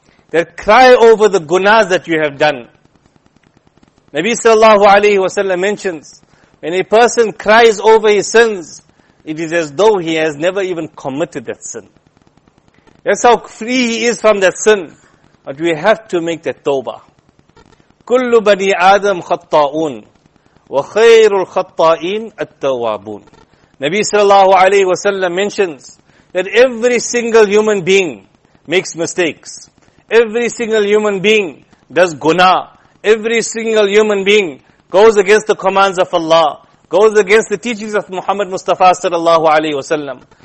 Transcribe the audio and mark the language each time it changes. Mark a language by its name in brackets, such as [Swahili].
[English] That cry over the gunas that you have done. Nabi sallallahu alayhi wa sallam mentions, when a person cries over his sins, it is as though he has never even committed that sin. That's how free he is from that sin. But we have to make that tawbah. [Arabic] كل بني آدم خطاؤون وخير الخطائين التوابون. [English] Nabi sallallahu alayhi wa sallam mentions that every single human being makes mistakes. Every single human being does guna. Every single human being goes against the commands of Allah, goes against the teachings of Muhammad Mustafa sallallahu alayhi wa sallam.